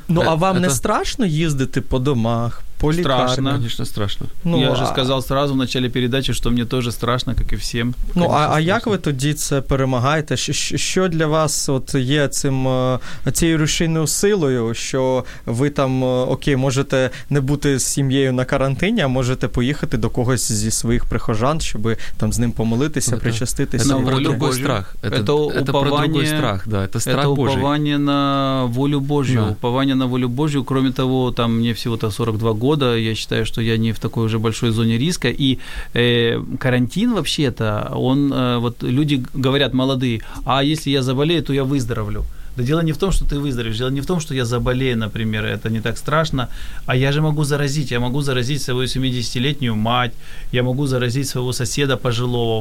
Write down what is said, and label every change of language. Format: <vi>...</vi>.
<ru>Ну, а вам не страшно ездить по домах? Страшно, конечно, страшно. Ну, я же сказал сразу в начале передачи, что мне тоже страшно, как и всем. Ну, конечно, а как вы</ru> <uk>тоді це перемагаєте? Що для вас от є цим цією рушійною силою, що ви там, окей, можете не бути з сім'єю на карантині, а можете поїхати до когось зі своїх прихожан, щоб там з ним помолитися, причаститися? Це про другий страх. Це про другий страх, да. Це страх Божий. Це уповання на волю Божу. Да. Уповання на волю Божу.</uk> <ru>Кроме того, там мне всего-то 42 года. Я считаю, что я не в такой уже большой зоне риска. И карантин вообще-то, он, вот люди говорят, молодые, а если я заболею, то я выздоровлю. Да дело не в том, что ты выздоровеешь, дело не в том, что я заболею, например, это не так страшно, а я же могу заразить. Я могу заразить свою 70-летнюю мать, я могу заразить своего соседа пожилого.</ru>